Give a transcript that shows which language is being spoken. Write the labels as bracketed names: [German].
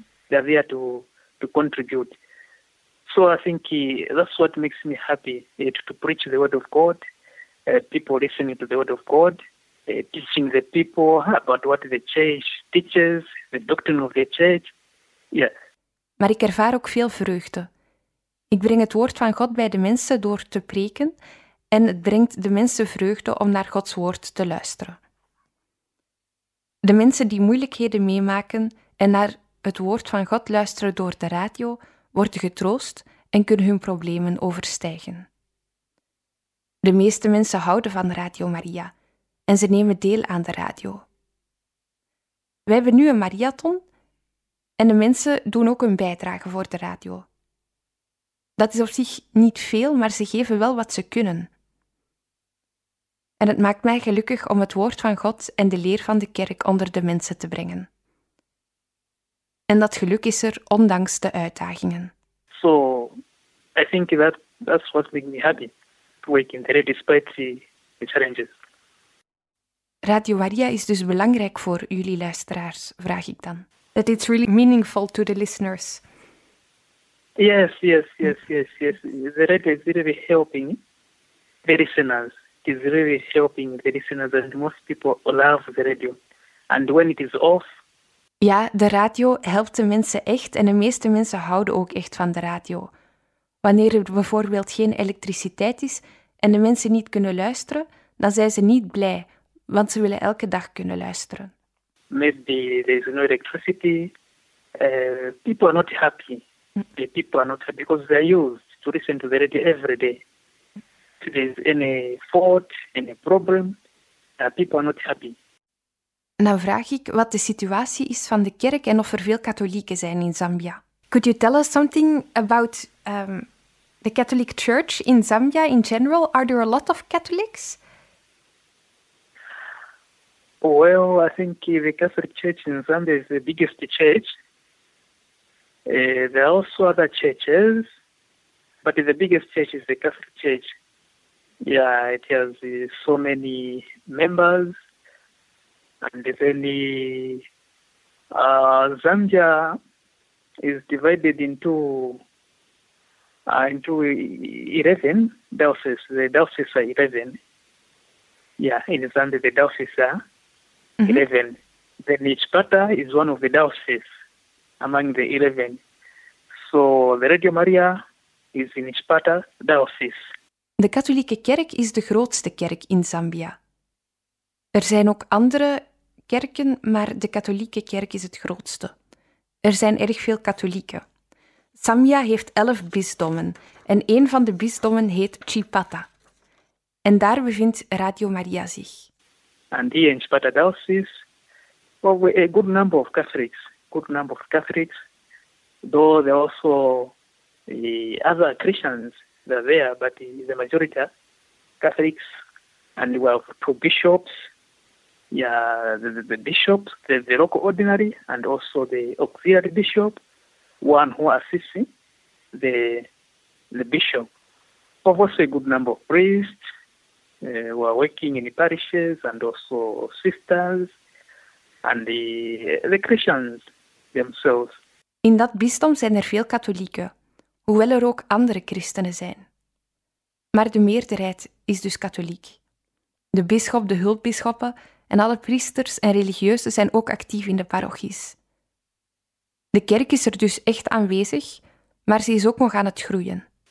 [English] They are there to contribute. So I think that's what makes me happy, to preach the word of God, people listening to the word of God, teaching the people about what the church teaches, the doctrine of the church. Yeah. [Dutch] Maar ik ervaar ook veel vreugde. Ik breng het woord van God bij de mensen door te preken en het brengt de mensen vreugde om naar Gods woord te luisteren. De mensen die moeilijkheden meemaken en naar het woord van God luisteren door de radio, worden getroost en kunnen hun problemen overstijgen. De meeste mensen houden van Radio Maria en ze nemen deel aan de radio. We hebben nu een mariathon en de mensen doen ook een bijdrage voor de radio. Dat is op zich niet veel, maar ze geven wel wat ze kunnen. En het maakt mij gelukkig om het woord van God en de leer van de kerk onder de mensen te brengen. En dat geluk is er ondanks de uitdagingen. [English] So, I think that that's what makes me happy, to work in the radio despite the challenges. [Dutch] Radio Maria is dus belangrijk voor jullie luisteraars, vraag ik dan. [English] That it's really meaningful to the listeners. Yes. The radio is really helping the listeners. It is really helping the listeners, and most people love the radio. And when it is off... [Dutch] Ja, de radio helpt de mensen echt en de meeste mensen houden ook echt van de radio. Wanneer er bijvoorbeeld geen elektriciteit is en de mensen niet kunnen luisteren, dan zijn ze niet blij, want ze willen elke dag kunnen luisteren. [English] Maybe there is no electricity. People are not happy. The people are not happy because they are used to listen to the radio every day. If there is any fault, any problem, people are not happy. [Dutch] En dan vraag ik wat de situatie is van de kerk en of er veel katholieken zijn in Zambia. [English] Could you tell us something about the Catholic Church in Zambia in general? Are there a lot of Catholics? Well, I think the Catholic Church in Zambia is the biggest church. There are also other churches, but the biggest church is the Catholic Church. Yeah, it has so many members. And then Zambia is divided into 11 dioceses. The dioceses are 11. Yeah, in Zambia, the dioceses are 11. Then each pata is one of the dioceses among the 11. So the Radio Maria is in each pata diocese. [Dutch] De katholieke kerk is de grootste kerk in Zambia. Er zijn ook andere kerken, maar de katholieke kerk is het grootste. Er zijn erg veel katholieken. Zambia heeft 11 bisdommen en een van de bisdommen heet Chipata. En daar bevindt Radio Maria zich. [English] And here in Chipata diocese, well, we're a good number of Catholics. Good number of Catholics. Though there are also other Christians that are there, but the majority are Catholics. And we have two bishops. Yeah, the bishop, the local ordinary, and also the auxiliary bishop, one who assists the bishop. Of course, a good number of priests who are working in the parishes, and also sisters, and the Christians themselves. [Dutch] In dat bisdom zijn er veel katholieken, hoewel er ook andere christenen zijn. Maar de meerderheid is dus katholiek. De bisschop, de hulpbisschoppen en alle priesters en religieuzen zijn ook actief in de parochies. De kerk is er dus echt aanwezig, maar ze is ook nog aan het groeien.